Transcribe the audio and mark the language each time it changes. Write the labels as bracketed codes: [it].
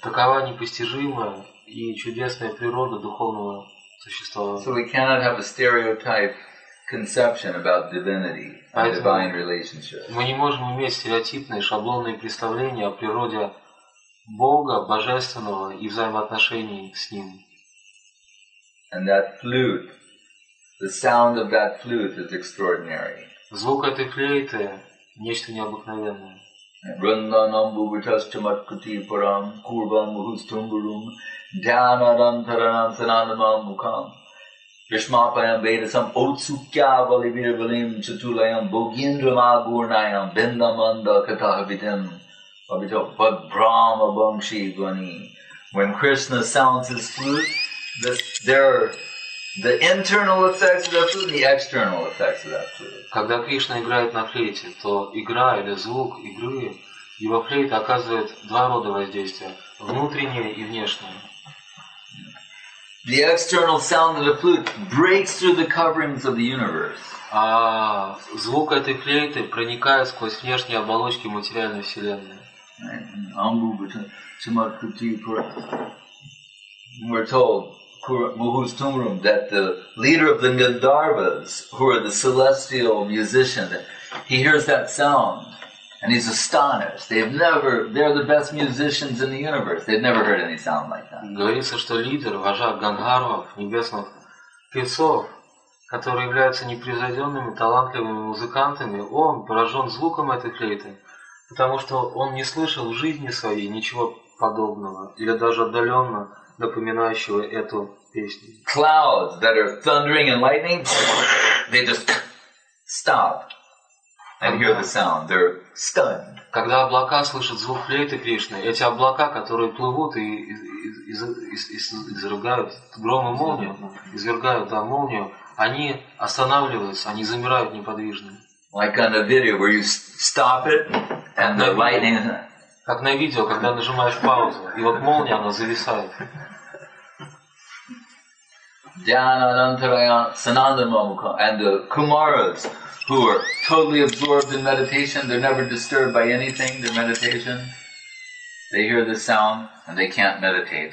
[ru] Такова непостижимая и чудесная природа духовного. [en] So we cannot have a stereotype conception about divinity and divine relationship. [ru] Мы не можем иметь стереотипные шаблонные представления о природе Бога, божественного и взаимоотношений с ним. [en] And that flute, the sound of that flute is extraordinary. [ru] Звук этой флейты нечто необыкновенное. [sa] Vrindanam bhuvitaschamatkuti param kurvam muhustumburum dhyanadam taranam sanandamam mukham vishmapayam vedasam otsukya valivirvalim chatulayam bogindram agurnayam vindamanda katahavitam abhita padbrahma bhamshi guani. [en] When Krishna sounds his flute, the internal effects of that flute and the external effects of that flute. [ru] Когда Кришна играет на флейте, то игра или звук игры, его флейта оказывает два рода воздействия, внутреннее и внешнее. [en] The external sound of the flute breaks through the coverings of the universe. [ru] А звук этой флейты проникает сквозь внешние оболочки материальной вселенной. [sa] Амбу бхута чамаркрити пра. [en] we're told, [sa] Muhus Tumrum, [en] that the leader of the Gandharvas, who are the celestial musician, he hears that sound and he's astonished. They're the best musicians in the universe. They've never heard any sound like that. [ru] Говорится, что лидер, вожак Гандхарвов, небесных певцов, которые являются непревзойденными, талантливыми музыкантами, он поражен звуком этой флейты, потому что он не слышал в жизни своей ничего подобного, или даже отдаленно напоминающего эту песню. [en] Clouds that are thundering and lightning, they just stop and hear the sound. They're stunned. [ru] Когда облака слышат звук флейты Кришны, эти облака, которые плывут и изрыгают гром и молнию, извергают молнию, они останавливаются, они замирают неподвижно. [en] Like on a video where you stop it and the lightning. [ru] Как на видео, когда нажимаешь паузу, и вот молния, она зависает. [sa] Dhyana Anantaraya Sananda Mamukha [en] and the Kumaras who are totally absorbed in meditation, they're never disturbed by anything, their meditation. They hear the sound and they can't meditate.